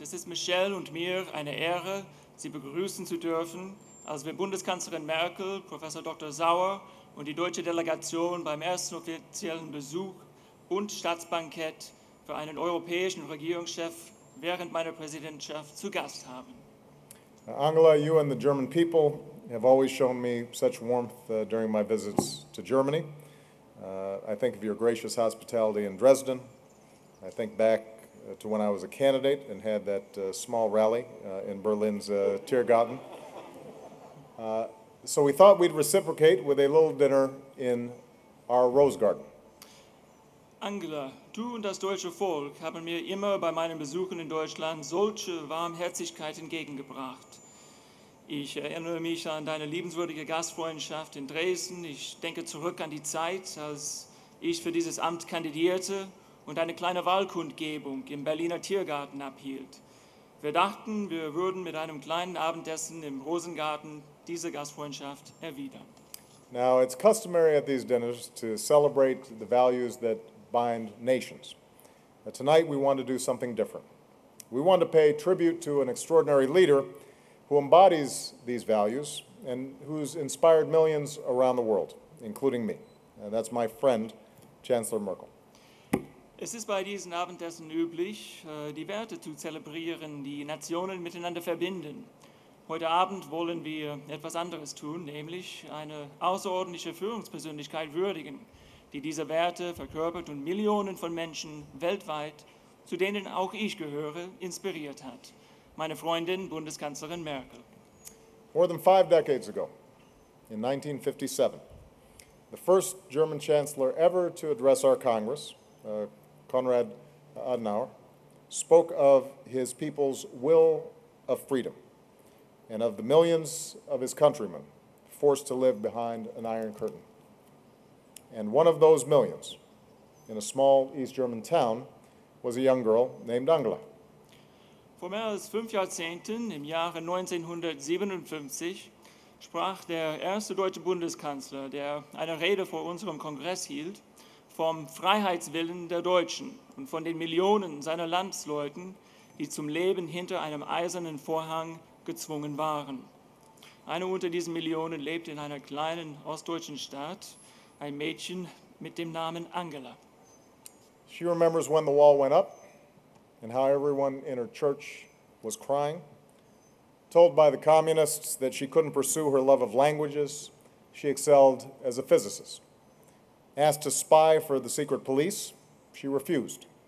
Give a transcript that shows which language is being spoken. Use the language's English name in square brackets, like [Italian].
[German] Es ist Michelle und mir eine Ehre, Sie begrüßen zu dürfen, als wir Bundeskanzlerin Merkel, Professor Dr. Sauer und die deutsche Delegation beim ersten offiziellen Besuch und Staatsbankett für einen europäischen Regierungschef während meiner Präsidentschaft zu Gast haben. [English] Angela, you and the German people have always shown me such warmth during my visits to Germany. I think of your gracious hospitality in Dresden. I think back to when I was a candidate and had that small rally in Berlin's Tiergarten. So we thought we'd reciprocate with a little dinner in our Rose Garden. [German] Angela, du und das deutsche Volk haben mir immer bei meinen Besuchen in Deutschland solche Warmherzigkeit entgegengebracht. Ich erinnere mich an deine liebenswürdige Gastfreundschaft in Dresden. Ich denke zurück an die Zeit, als ich für dieses Amt kandidierte und eine kleine Wahlkundgebung im Berliner Tiergarten abhielt. Wir dachten, wir würden mit einem kleinen Abendessen im Rosengarten diese Gastfreundschaft erwidern. [English] Now, it's customary at these dinners to celebrate the values that bind nations. But tonight, we want to do something different. We want to pay tribute to an extraordinary leader who embodies these values and who's inspired millions around the world, including me. And that's my friend, Chancellor Merkel. [German] Es ist bei diesen Abendessen üblich, die Werte zu zelebrieren, die Nationen miteinander verbinden. Heute Abend wollen wir etwas anderes tun, nämlich eine außerordentliche Führungspersönlichkeit würdigen, die diese Werte verkörpert und Millionen von Menschen weltweit, zu denen auch ich gehöre, inspiriert hat. Meine Freundin, Bundeskanzlerin Merkel. [English] More than five decades ago, in 1957, the first German Chancellor ever to address our Congress, Konrad Adenauer, spoke of his people's will of freedom and of the millions of his countrymen forced to live behind an iron curtain. And one of those millions, in a small East German town, was a young girl named Angela. [German] Vor mehr als fünf Jahrzehnten, im Jahre 1957, sprach der erste deutsche Bundeskanzler, der eine Rede vor unserem Kongress hielt, vom Freiheitswillen der Deutschen und von den Millionen seiner Landsleuten, die zum Leben hinter einem eisernen Vorhang gezwungen waren. Eine unter diesen Millionen lebte in einer kleinen ostdeutschen Stadt, ein Mädchen mit dem Namen Angela. [English] She remembers when the wall went up and how everyone in her church was crying, told by the communists that she couldn't pursue her love of languages, she excelled as a physicist. Asked to spy for the secret police, she refused.